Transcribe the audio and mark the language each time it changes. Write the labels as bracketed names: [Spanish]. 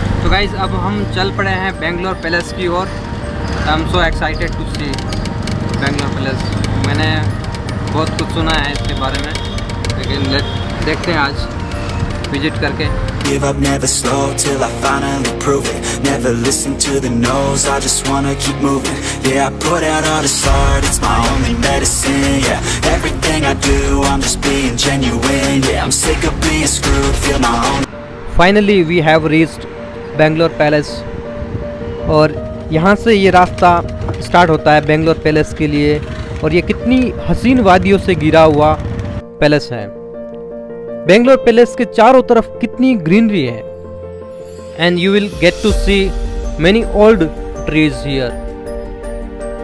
[Hindi] Guys अब हम चल पड़े हैं बेंगलोर पैलेस की ओर। [English] I am so excited to see Bangalore palace, [Hindi] मैंने बहुत कुछ सुना है इसके बारे में, लेकिन देखते हैं आज विजिट करके। [English] Give up, never slow till I finally prove it. Never listen to the no's, I just wanna keep moving. Yeah, I put out all this art, it's my only medicine. Yeah, everything I do, I'm just being genuine. Yeah, I'm sick of being screwed, feel my own. Finally, we have reached [Hindi] Bangalore palace, और यहाँ से ये रास्ता start होता है Bangalore palace के लिए। और ये कितनी हसीन वादियों से घिरा हुआ पैलेस है। बेंगलोर पैलेस के चारों तरफ कितनी ग्रीनरी है, [English] And you will get to see many old trees here.